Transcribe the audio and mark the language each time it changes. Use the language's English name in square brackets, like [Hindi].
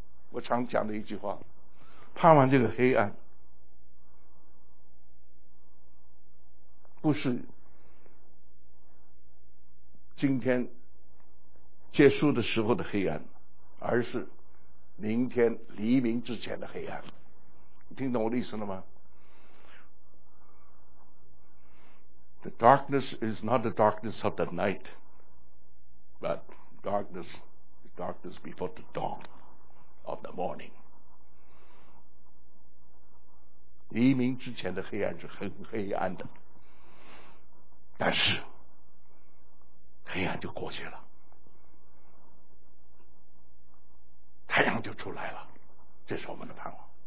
[Chinese] 我常讲的一句话，盼望这个黑暗不是今天结束的时候的黑暗，而是明天黎明之前的黑暗。你听懂我的意思了吗？ [English] The darkness is not the darkness of the night, but darkness is darkness before the dawn of the morning. [Chinese] 黎明之前的黑暗是很黑暗的，但是黑暗就过去了，太阳就出来了，这是我们的盼望。